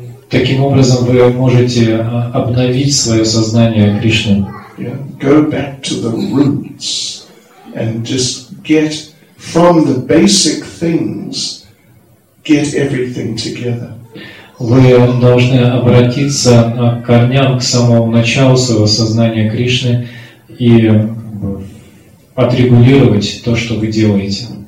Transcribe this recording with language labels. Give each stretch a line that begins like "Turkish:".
Russian: Таким образом вы можете обновить свое сознание Кришны.
English: Yeah. Go back to the roots and just get from the basic things, get everything together.
Russian: Вы должны обратиться к корням, к самому началу своего сознания Кришны и отрегулировать то, что вы делаете.